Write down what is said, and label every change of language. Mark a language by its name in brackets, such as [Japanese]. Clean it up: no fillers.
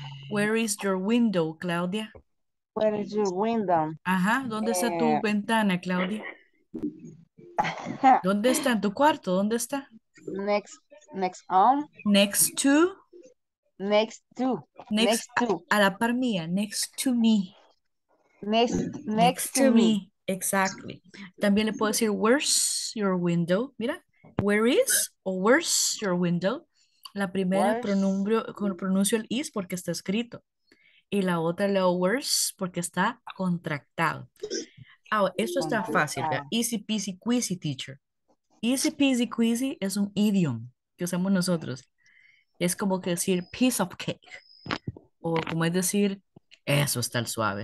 [English] Where is your window, Claudia? Where is your window? [Spanish] Ajá, ¿dónde está tu ventana, Claudia? ¿Dónde está en tu cuarto? ¿Dónde está? [English] Next home. Next to. Next to. Next Next to. [Spanish] a la par mía. [English] Next to me. Next Next to to me. me. Exactly. [Spanish] También le puedo decir, [English] where's your window? [Spanish] Mira, [English] where is o where's your window? [Spanish] La primera [English] Where's [Spanish] pronuncio el is porque está escrito. Y la otra leo where's porque está contractado. Ahora, esto está fácil, ¿verdad? contestado. [English] Easy peasy quizy, teacher. Easy peasy quizy [Spanish] es un idiom que usamos nosotros. Es como que decir [English] piece of cake. [Spanish] O como es decir, eso está el suave.